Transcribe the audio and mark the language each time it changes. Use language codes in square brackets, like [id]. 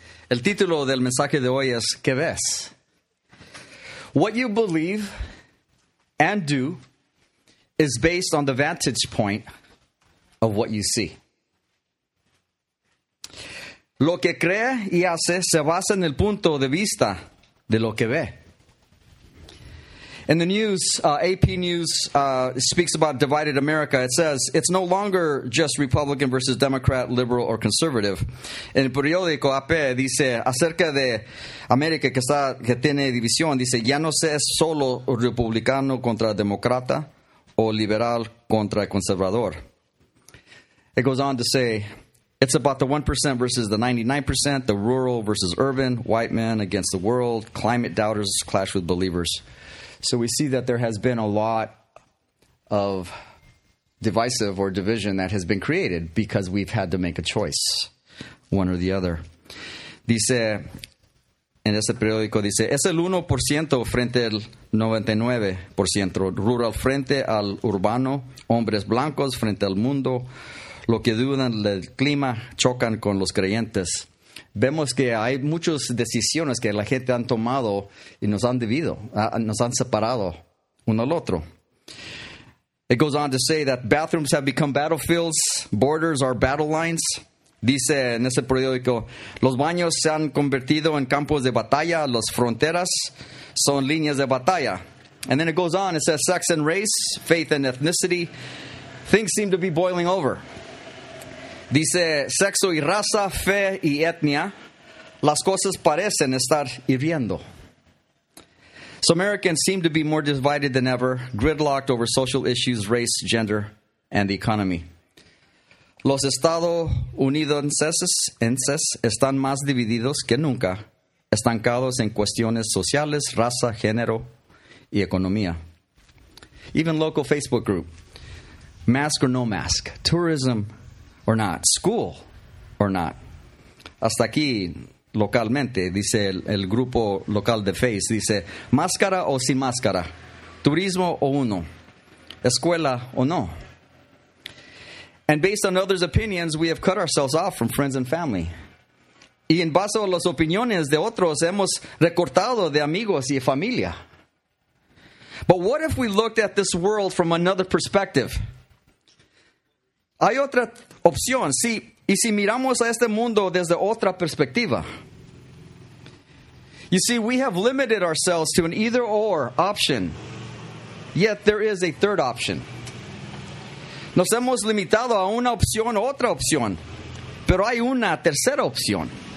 [es] El título del mensaje de hoy es, ¿Qué ves? [en] What you believe and do is based on the vantage point of what you see. [es] Lo que cree y hace se basa en el punto de vista de lo que ve. [en] In the news, AP News speaks about divided America. It says, it's no longer just Republican versus Democrat, liberal, or conservative. [es] En el periódico AP dice, acerca de América que tiene división, dice, ya no se es solo republicano contra demócrata o liberal contra conservador. [en] It goes on to say, it's about the 1% versus the 99%, the rural versus urban, white men against the world, climate doubters clash with believers. So we see that there has been a lot of divisive or division that has been created because we've had to make a choice, one or the other. [es] Dice, en ese periódico dice, es el 1% frente al 99%, rural frente al urbano, hombres blancos frente al mundo, lo que dudan del clima chocan con los creyentes. Vemos que hay muchas decisiones que la gente han tomado y nos han dividido, nos han separado uno al otro. [en] It goes on to say that bathrooms have become battlefields, borders are battle lines. [es] Dice en ese periódico, los baños se han convertido en campos de batalla, las fronteras son líneas de batalla. [en] And then it goes on, it says sex and race, faith and ethnicity, things seem to be boiling over. [es] Dice, sexo y raza, fe y etnia, las cosas parecen estar hirviendo. [en] So Americans seem to be more divided than ever, gridlocked over social issues, race, gender, and the economy. [es] Los Estados Unidos están más divididos que nunca, estancados en cuestiones sociales, raza, género, y economía. [en] Even local Facebook group, mask or no mask, tourism, or not, school, or not. [es] Hasta aquí, localmente, dice el grupo local de Face, dice, máscara o sin máscara, turismo o uno, escuela o no. [en] And based on others' opinions, we have cut ourselves off from friends and family. [es] Y en base a las opiniones de otros, hemos recortado de amigos y familia. [en] But what if we looked at this world from another perspective? [es] Hay otra opción, sí, y si miramos a este mundo desde otra perspectiva. [en] You see, we have limited ourselves to an either-or option, yet there is a third option. [es] Nos hemos limitado a una opción, otra opción, pero hay una tercera opción.